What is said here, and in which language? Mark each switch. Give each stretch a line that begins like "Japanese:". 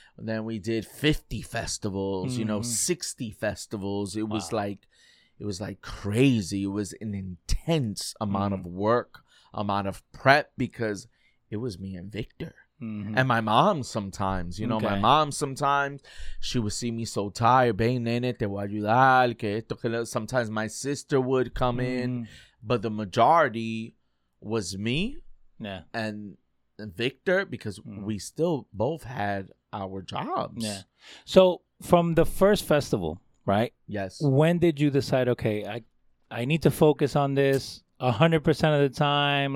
English: Then we did 50 festivals, you know, 60 festivals. It was like, it was like crazy. It was an intense amount of work, amount of prep, because it was me and Victor. And my mom sometimes, you know, my mom sometimes, she would see me so tired.
Spanish: Ven, nene, te voy a ayudar, que esto, que lo.
English: Sometimes my sister would come in, but the majority was me and Victor, because we still both had our jobs. So from the first festival, right? Yes. When did you decide, okay, I need to focus on this 100% of the time?